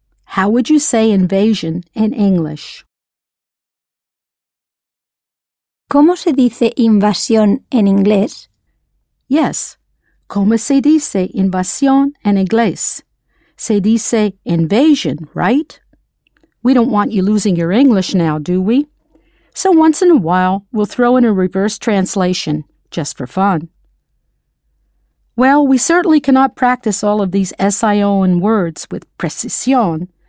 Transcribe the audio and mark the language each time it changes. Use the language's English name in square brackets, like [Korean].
[English] How would you say invasion in English? [Spanish] ¿Cómo se dice invasión en inglés? Yes, ¿cómo se dice invasión en inglés? Se dice invasion, right? [English] We don't want you losing your English now, do we? So once in a while, we'll throw in a reverse translation, just for fun. Well, we certainly cannot practice all of these S-I-O-N words with precisión.